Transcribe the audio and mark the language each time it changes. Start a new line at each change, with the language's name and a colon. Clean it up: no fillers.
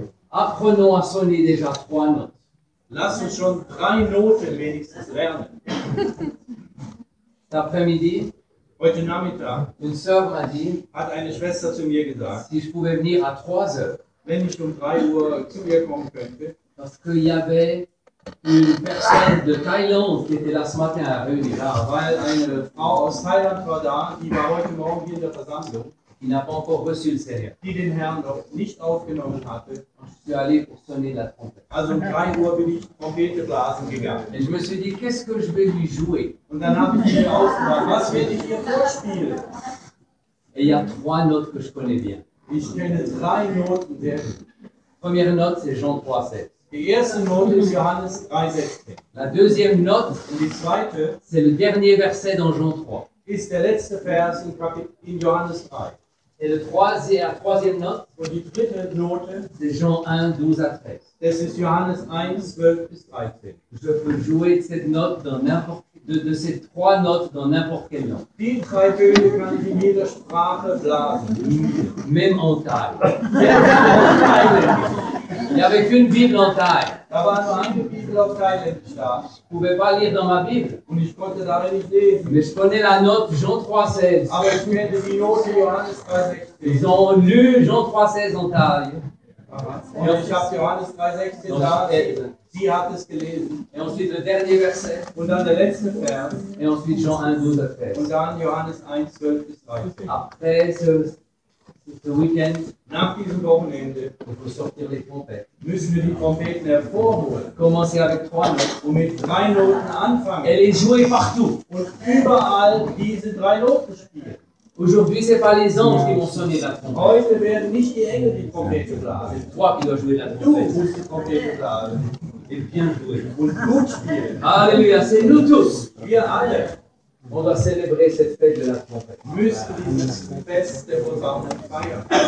French: Apprenons à sonner déjà trois notes.
German: Lass uns schon drei Noten wenigstens lernen.
French: Cet après-midi,
German: heute Nachmittag,
French: une sœur m'a dit,
German: hat eine Schwester zu mir gesagt,
French: si je pouvais venir à 3 heures,
German: wenn ich um 3 Uhr zu ihr kommen könnte,
French: parce qu'il y avait une personne de Thaïlande qui était là ce matin à réunir.
German: Weil eine Frau aus Thailand war da, die war heute Morgen hier in der Versammlung, die
French: n'a pas encore reçu le Seigneur,
German: die den Herrn noch nicht aufgenommen hatte.
French: Je suis allé pour sonner la trompette.
German: Also um 3 Uhr bin ich Trompete blasen gegangen.
French: Et je me suis dit, qu'est-ce que je vais lui jouer?
German: Und dann habe ich mir ausgemacht, was werde ich ihr vorspielen?
French: Et il y a 3 notes que je connais bien.
German: Ich kenne 3 Noten sehr gut.
French: Première note, c'est Jean 3:7.
German: Die erste Note ist Johannes 3,16.
French: La deuxième note,
German: und die zweite,
French: c'est le dernier verset dans Jean 3.
German: Ist der letzte Vers in Johannes 3.
French: Et le troisième note,
German: und die dritte Note,
French: c'est Jean 1,12-13.
German: Das ist Johannes 1,12-13.
French: Je peux jouer cette note dans de ces trois notes dans n'importe quelle langue.
German: Die drei Töne kann ich in jeder Sprache blasen.
French: Même en Thaï. Même en Thaï. Il n'y avait qu'une Bible en Thaï.
German: Da war nur eine Bibel auf Thailändisch da.
French: Je ne pouvais pas lire dans ma Bible.
German: Und ich konnte darin nicht lesen.
French: Mais je connais la note Jean 3,16.
German: Aber ich kenne die Note Johannes 3,16.
French: Ils ont lu Jean 3,16 en Thaï.
German: Und ich habe Johannes 3,16 da. Sie hat es gelesen.
French: Et ensuite le dernier verset.
German: Und dann der letzte Vers.
French: Et ensuite Jean 1,12-13.
German: Und dann Johannes 1,12-13.
French: Après ce week-end,
German: nach diesem Wochenende,
French: on peut sortir les trompettes.
German: Müssen wir die Trompeten hervorholen.
French: Commencer avec 3 notes.
German: Und mit 3 Noten anfangen.
French: Et les jouer partout.
German: Und überall diese 3 Noten spielen.
French: Aujourd'hui, ce n'est pas les anges qui vont sonner la trompette.
German: Heute werden nicht die Engel die Trompete blasen.
French: C'est toi qui dois jouer la trompette.
German: Du musst die Trompete blasen.
French: Et bien joué.
German: Und gut spielen.
French: Alléluia, c'est nous tous.
German: Wir alle.
French: On doit célébrer cette fête de la trompette.
German: Müsst diese Feste von Baumann feiern.